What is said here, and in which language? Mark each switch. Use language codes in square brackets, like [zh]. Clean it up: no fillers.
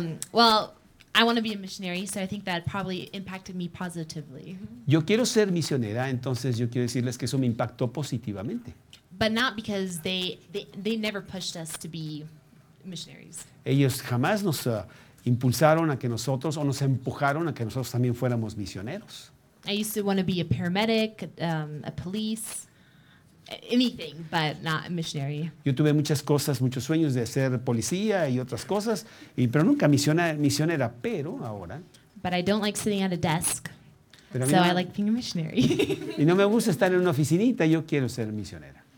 [en] Well, I want to be a missionary, so I think that probably impacted me positively. [es] Yo quiero ser misionera, entonces yo quiero decirles que eso me impactó positivamente. [en] But not because they never pushed us to be missionaries. [es] Ellos jamás nos impulsaron a que nosotros o nos empujaron a que nosotros también fuéramos misioneros. [en] I used to want to be a paramedic, a police. Anything, but not a missionary. [es] Yo tuve muchas cosas, muchos sueños de ser policía y otras cosas, pero nunca misionera, pero ahora. [en] But I don't like sitting at a desk, so I like being a missionary. [es] Y no me gusta estar en una oficinita, yo quiero ser misionera.